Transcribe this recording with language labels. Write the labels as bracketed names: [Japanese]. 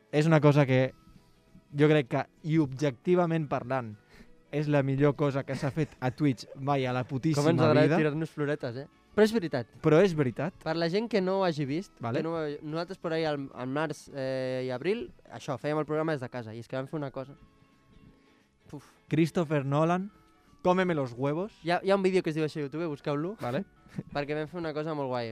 [Catalan] És una cosa que jo crec que, i objectivament parlant, és la millor cosa que s'ha fet a Twitch mai a la putíssima vida. Com ens agrada tirar-nos floretes, eh? Però és veritat. Però és veritat. Per la gent que no ho hagi vist, vale, que no, nosaltres per ahir al març i abril, això, fèiem el programa des de casa, i és que vam fer una cosa... Uf. [Spanish] Christopher Nolan, cómeme los huevos. [Catalan] Hi ha un vídeo que es diu això a YouTube, busqueu-lo. Vale. Perquè vam fer una cosa molt guai.